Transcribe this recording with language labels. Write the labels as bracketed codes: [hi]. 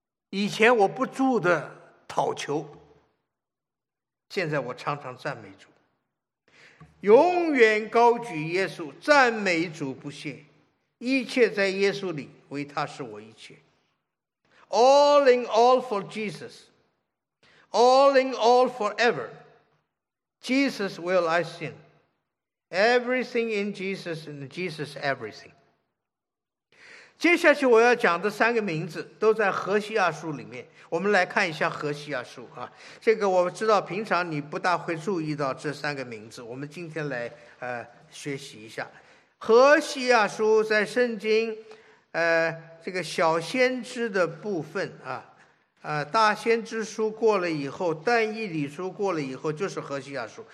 [zh] 以前我不住的讨求，现在我常常赞美主。永远高举耶稣，赞美主不懈，一切在耶稣里，为他是我一切。 [en] All in all for Jesus, all in all forever, Jesus will I sing, everything in Jesus and Jesus everything. [zh] 接下去我要讲的三个名字都在何西阿书里面，我们来看一下何西阿书啊。这个我知道平常你不大会注意到这三个名字，我们今天来学习一下。何西阿书在圣经这个小先知的部分啊，大先知书过了以后，但以理书过了以后，就是何西阿书。